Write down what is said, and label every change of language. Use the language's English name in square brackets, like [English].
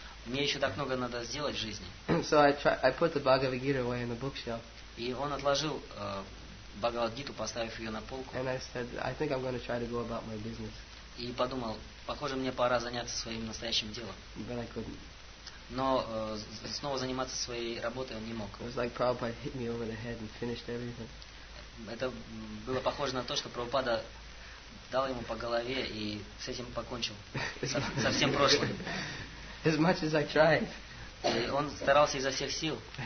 [Russian] Мне еще так много надо сделать в жизни. [English] So I put the Bhagavad Gita away in the bookshelf. [Russian] И он отложил Бхагавад-гиту, поставив ее на полку. [English] And I said, I think I'm going to try to go about my business. [Russian] И подумал, похоже, мне пора заняться своим настоящим делом. [English] But I couldn't. [Russian] Но снова заниматься своей работой он не мог. [English] It was like Prabhupada hit me over the head and finished everything. [Russian] Это было похоже на то, что Прабхупада дал ему по голове и с этим покончил. Со всем прошлым. [English] As much as I tried. [Russian] Он старался изо всех сил.